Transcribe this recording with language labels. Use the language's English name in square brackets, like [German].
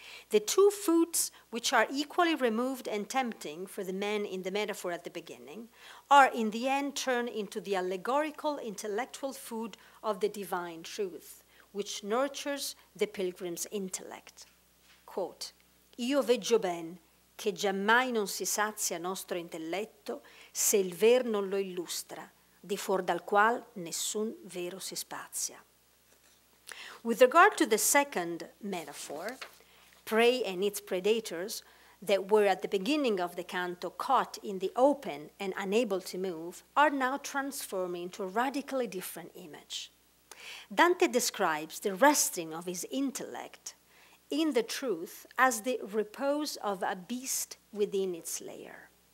[English] The two foods which are equally removed and tempting for the man in the metaphor at the beginning are in the end turned into the allegorical intellectual food of the divine truth, which nurtures the pilgrim's intellect. Quote, [Italian] io veggio ben che giammai non si sazia nostro intelletto se il ver non lo illustra, di fuor dal qual nessun vero si spazia. [English] With regard to the second metaphor, prey and its predators that were at the beginning of the canto caught in the open and unable to move are now transforming into a radically different image. Dante describes the resting of his intellect in the truth as the repose of a beast within its lair.